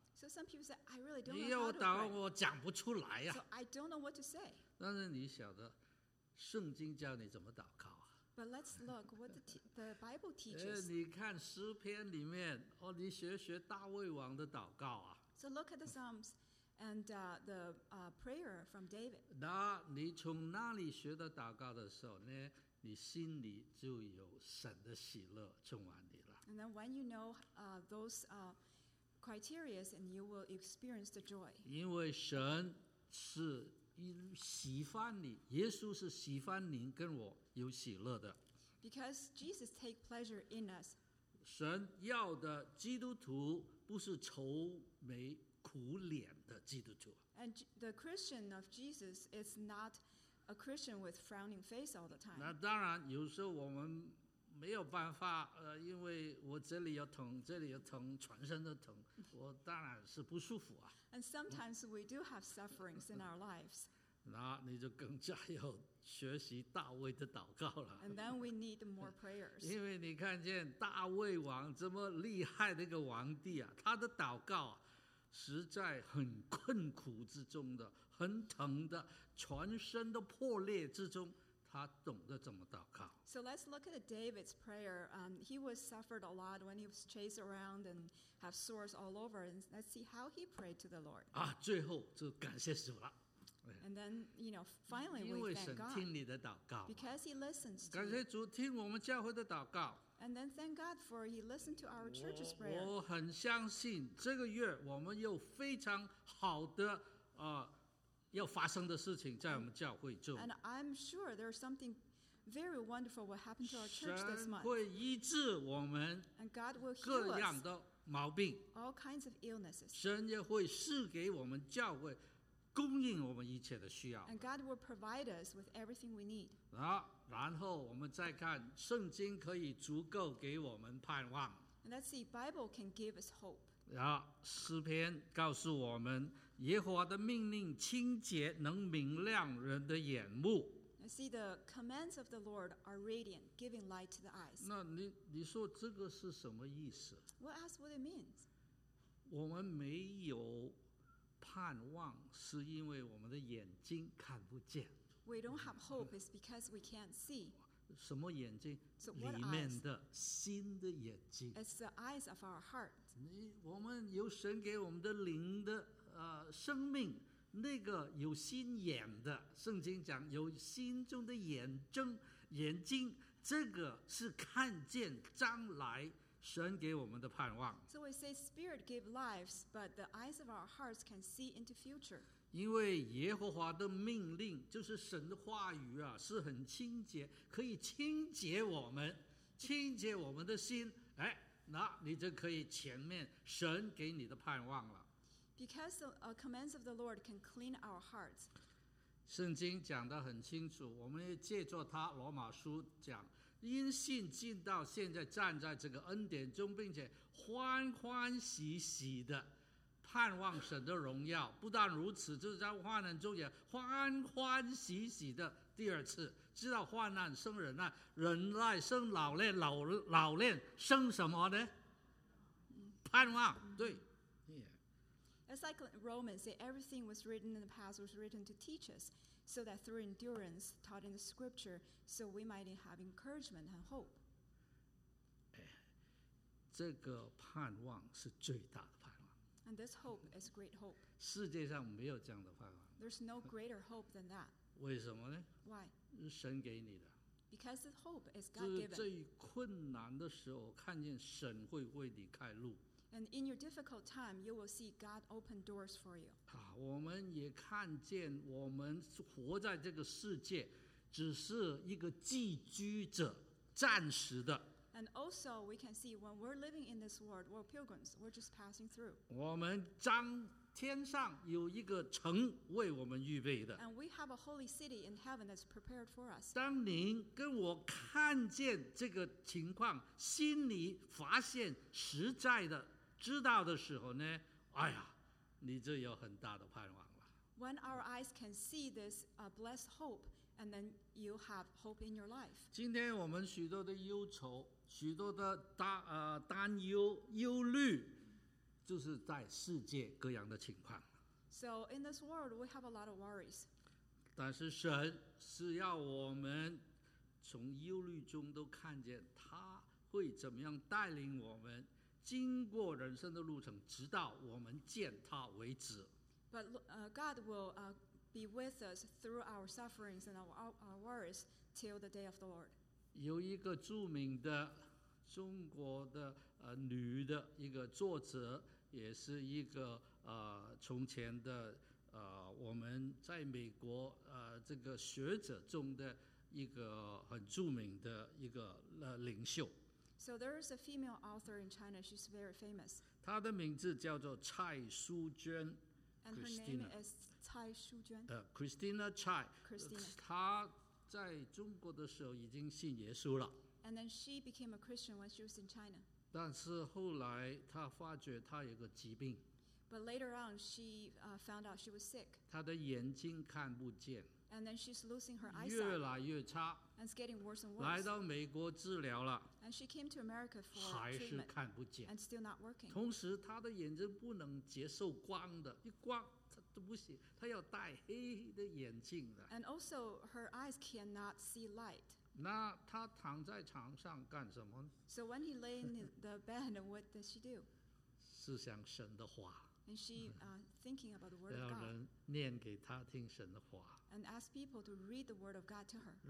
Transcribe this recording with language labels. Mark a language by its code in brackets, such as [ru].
[en] So some people say, I really don't know how to pray. [zh] 你要我祷告，我讲不出来啊。 [en] So I don't know what to say. [zh] 但是你晓得，圣经教你怎么祷告。 [en] But let's look what the Bible teaches. [zh] 你看诗篇里面，哦，你学大卫王的祷告啊。 [en] So look at the Psalms and prayer from David. [zh] 那你从那里学的祷告的时候呢，你心里就有神的喜乐充满你了。 [en] And then when you know those criteria, and you will experience the joy. [zh] 因为神是喜欢你，耶稣是喜欢您跟我有喜乐的。 [en] Because Jesus takes pleasure in us. [zh] 神要的基督徒不是愁眉苦脸的基督徒。 [en] And the Christian of Jesus is not a Christian with frowning face all the time. [zh] 那当然，有时候我们没有办法，因为我这里有疼，这里有疼，全身都疼，我当然是不舒服啊。 [en] And sometimes we do have sufferings in our lives. [zh] 那你就更加要学习大卫的祷告了。 [en] And then we need more prayers. [zh] 因为你看见大卫王这么厉害的一个王帝啊，他的祷告实在很困苦之中的，很疼的，全身都破裂之中。他懂得怎么祷告。 [en] So let's look at David's prayer. He was suffered a lot when he was chased around and have sores all over. And let's see how he prayed to the Lord. [zh] 啊，最后就感谢主了。 [en] And then, you know, finally we thank God. [zh] 因为神听你的祷告。 [en] Because he listens to. [zh] 感谢主听我们教会的祷告。 [en] And then thank God for he listened to our church's prayer. [zh] 我很相信这个月我们有非常好的要发生的事情在我们教会中。 [en] And I'm sure there's something very wonderful will happen to our church this month. [zh] 神会医治我们各样的毛病。 [en] All kinds of illnesses. [zh] 神也会赐给我们教会，供应我们一切的需要。 [en] And God will provide us with everything we need. [zh] 然后我们再看圣经可以足够给我们盼望。 [en] And let's see, Bible can give us hope. [zh] 然后诗篇告诉我们，耶和华的命令清洁，能明亮人的眼目。 [en] See the commands of the Lord are radiant, giving light to the eyes. [zh] 那你说这个是什么意思 [en] ？What else would it mean? [zh] 我们没有盼望，是因为我们的眼睛看不见。 [en] We don't have hope is because we can't see. [zh] 什么眼睛？ [en] So、 [zh] 里面的心的眼睛。 [en] It's the eyes of our heart. [zh] 我们有神给我们的灵的。生命那个有心眼的，圣经讲有心中的眼睛，这个是看见将来神给我们的盼望。 [en] So we say spirit give lives, but the eyes of our hearts can see into future. [zh] 因为耶和华的命令就是神的话语啊，是很清洁，可以清洁我们，清洁我们的心。哎，那你就可以前面神给你的盼望了。 [en] Because the commands of the Lord can clean our hearts. [zh] 圣经讲得很清楚，我们也借着他罗马书讲，因信进到现在站在这个恩典中，并且欢欢喜喜的盼望神的荣耀。不但如此，就是在患难中也欢欢喜喜的第二次，知道患难生忍耐，忍耐生老练，老练生什么呢？盼望，对。 [en] It's like Romans, say everything was written in the past was written to teach us, so that through endurance taught in the scripture, so we might have encouragement and hope. [zh] 哎，这个盼望是最大的盼望。 [en] And this hope is great hope. [zh] 世界上没有这样的盼望。 [en] There's no greater hope than that. [zh] 为什么呢？ [en] Why? [zh] 是神给你的。 [en] Because the hope is God given. [zh] 最困难的时候，看见神会为你开路。 [en] And in your difficult time, you will see God open doors for you. [zh] 我们也看见我们活在这个世界，只是一个寄居者，暂时的。 [en] And also, we can see when we're living in this world, we're pilgrims, we're just passing through. [zh] 我们将天上有一个城为我们预备的。 [en] And we have a holy city in heaven that's prepared for us. [zh] 当您跟我看见这个情况，心里发现实在的知道的时候呢，哎呀，你就有很大的盼望了。 [en] When our eyes can see this blessed hope, and then you have hope in your life. [zh] 今天我们许多的忧愁，许多的担忧、忧虑。就是在世界各样的情况。 [en] So in this world, we have a lot of worries. [zh] 但是神是要我们从忧虑中都看见他会怎么样带领我们经过人生的路程，直到我们见他为止。 [en] But God will be with us through our sufferings and our worries till the day of the Lord. [zh] 有一个著名的中国的女的一个作者，也是一个从前的我们在美国这个学者中的一个很著名的一个领袖。 [en] So there is a female author in China. She's very famous. [zh] 她的名字叫做蔡淑娟。 [en] And her name is 蔡淑娟。 Christina Chai. Christina. [zh] 她在中国的时候已经信耶稣了。 [en] And then she became a Christian when she was in China. [zh] 但是后来她发觉她有个疾病。 [en] But later on, she found out she was sick. [zh] 她的眼睛看不见。 [en] And then she's losing her eyesight. [zh] 越来越差。 [en] And it's getting worse and worse. [zh] 来到美国治疗了。 [en] And she came to America for treatment. [zh] 还是看不见。 [en] And still not working. [zh] 同时她的眼睛不能接受光的，一光她都不行，她要戴黑的眼镜的。 [en] And also, her eyes cannot see light. [zh] 那他躺在床上干什么呢 [en] ？So when he lay in the bed, what does she do? [zh] 是想神的话。 [en] And she thinking about the word of God. [zh] 要人念给他听神的话。 [en] And ask people to read the word of God to her.